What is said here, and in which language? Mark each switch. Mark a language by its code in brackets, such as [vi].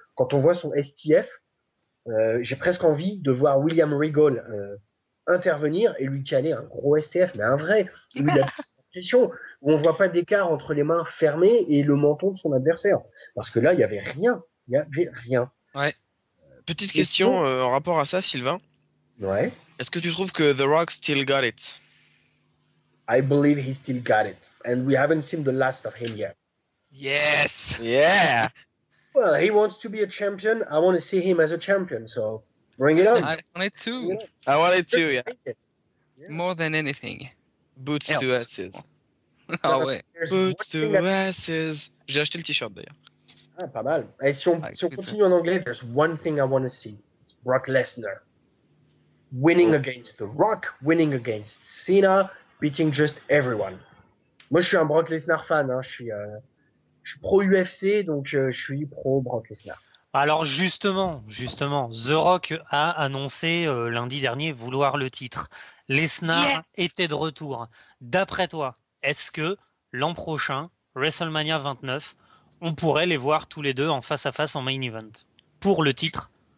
[fr] Quand on voit son STF, j'ai presque envie de voir William Regal intervenir et lui caler un gros STF, mais un vrai. Où on ne voit pas d'écart entre les mains fermées et le menton de son adversaire. Parce que là, il n'y avait rien. Ouais. Petite question en rapport à ça, Sylvain. Ouais. Est-ce que tu trouves que The Rock [en] still got it? I believe he still got it. And we haven't seen the last of him yet. Yes! Yeah! Well, he wants to be a champion. I want to see him as a champion. So, bring it on. I want it too. Yeah. I want it too, yeah. More than anything. Boots else. To asses. [fr] Ah ouais. [en] Boots to asses. [fr] J'ai acheté le t-shirt d'ailleurs. Ah, pas mal. Et si on continue en anglais, [en] there's one thing I want to see. [fr] Brock Lesnar. [en] Winning against The Rock, winning against Cena, beating just everyone. [fr] Moi, je suis un Brock Lesnar fan. Hein. Je suis pro UFC, donc je suis pro Brock Lesnar. Alors justement, The Rock a annoncé lundi dernier vouloir le titre. Lesnar était de retour. D'après toi, est-ce que l'an prochain, WrestleMania 29, on pourrait les voir tous les deux en face à face en main event pour le titre?